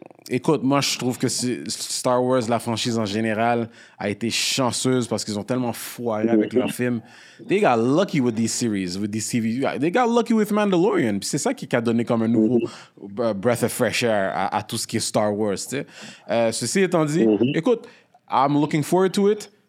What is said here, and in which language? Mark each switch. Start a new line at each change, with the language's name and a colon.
French: Écoute, moi, je trouve que Star Wars, la franchise en général, a été chanceuse parce qu'ils ont tellement foiré avec leurs films.
English: They got lucky with these series, with these TV. They got lucky with Mandalorian.
French: Puis c'est ça qui a donné comme un nouveau breath of fresh air à tout ce qui est Star Wars. Ceci étant dit, écoute,
English: I'm looking forward to it.